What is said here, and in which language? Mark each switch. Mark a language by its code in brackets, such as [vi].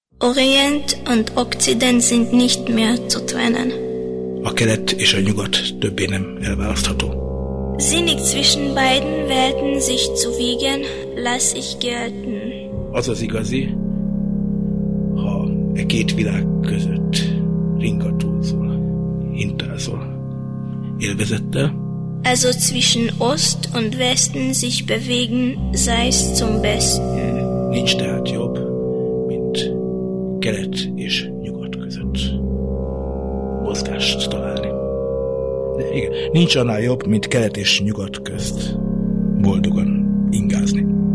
[de] Orient und Okzident sind nicht mehr zu trennen. [hu] A kelet és a nyugat többé nem elválasztható. [de] Sinnig zwischen beiden Welten sich zu wiegen, lass ich gelten. [hu] Az az igazi, ha e két világ között ringatózol, hintázol, élvezettel. [de] Also zwischen Ost und Westen sich bewegen, sei's zum Besten. [hu] Nincs tehát jobb, mint kelet és nyugat között mozgást találni. Igen. Nincs annál jobb, mint kelet és nyugat közt boldogan ingázni.